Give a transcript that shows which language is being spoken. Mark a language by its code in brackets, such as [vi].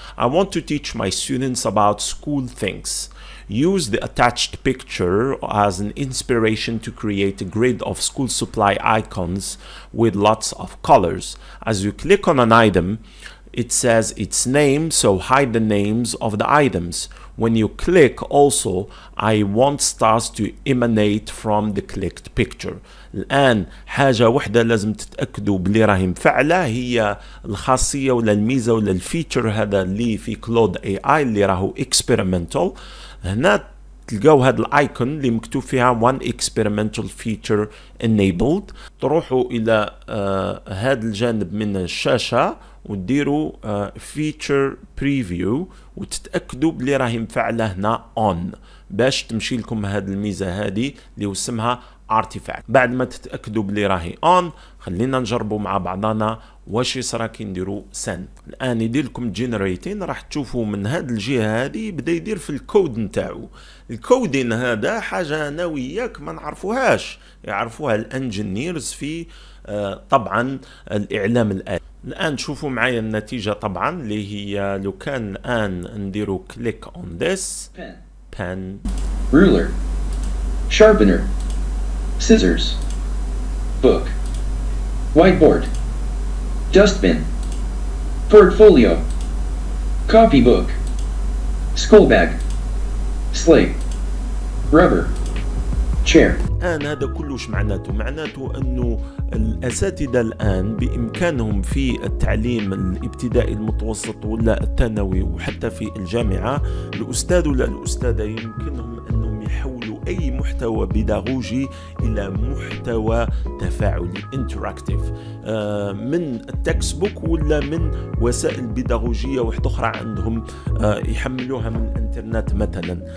[en] I want to teach my students about school things. Use the attached picture as an inspiration to create a grid of school supply icons with lots of colors. As you click on an item, it says its name, so hide the names of the items. When you click, also, I want stars to emanate from the clicked picture. [ar] الآن حاجة واحدة لازم تتأكدوا بلي راهي مفعلة، هي الخاصية ولا الميزة ولا الفيتشر هذا اللي في كلود اي اي اللي راهو اكسبيرمنتال. هنا تلقاو هذا الايكون اللي مكتوب فيها [en] one experimental feature enabled. [ar] تروحوا الى هذا الجانب من الشاشة وديروا feature preview وتتأكدوا بلي راهي مفعلة هنا on، باش تمشي لكم هذه الميزة هذه اللي اسمها artifact. بعد ما تتأكدوا بلي راهي on، خلينا نجربوا مع بعضنا واش يصرا كي نديرو send. الان يدير لكم generating، راح تشوفوا من هذه الجهة هذه بدا يدير في الكود نتاعو. الكودين هذا حاجة انا وياك ما نعرفوهاش، يعرفوها الانجينيرز في طبعا الاعلام الالي. الان شوفوا معايا النتيجة طبعا اللي هي، لو كان الان نديرو [en] click on this pen ruler sharpener scissors book whiteboard dustbin portfolio copybook school bag slate rubber chair. [ar] الآن هذا كله وش معناته؟ معناته أنه الأساتذة الآن بإمكانهم في التعليم الابتدائي المتوسط ولا الثانوي وحتى في الجامعة، الأستاذ ولا الأستاذة يمكنهم أنهم يحولوا أي محتوى بيداغوجي إلى محتوى تفاعلي interactive، من التكست بوك ولا من وسائل بيداغوجية واحدة أخرى عندهم يحملوها من الإنترنت مثلا.